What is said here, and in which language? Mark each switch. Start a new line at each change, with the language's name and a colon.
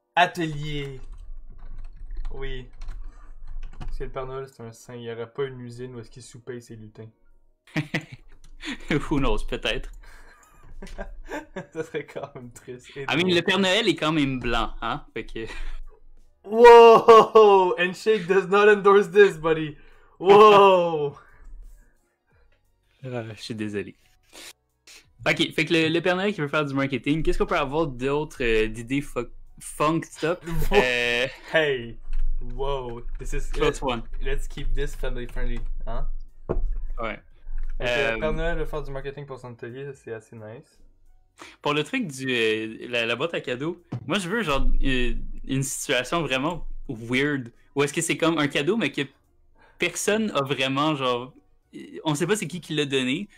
French: Atelier! Oui. Parce que le Père Noël, c'est un saint. Il n'y aurait pas une usine où est-ce qu'il soupait ses lutins.
English: Who knows,
French: peut-être. Ça serait quand même triste. Ah, mais le Père Noël est quand même blanc, hein? Fait que... Whoa!
English: And Shake does not endorse this, buddy! Whoa!
French: Je suis désolé. Ok, fait que le Père Noël qui veut faire du marketing, qu'est-ce qu'on peut avoir d'autre d'idées
English: funked up? Hey! Wow, this is close one. Let's keep this family friendly, hein?
French: Ouais. Père Noël veut faire du marketing pour son atelier, c'est assez nice. Pour le truc du la boîte à cadeaux, moi je veux genre une situation vraiment weird. Ou est-ce que c'est comme un cadeau mais que personne a vraiment genre, on sait pas c'est qui l'a donné.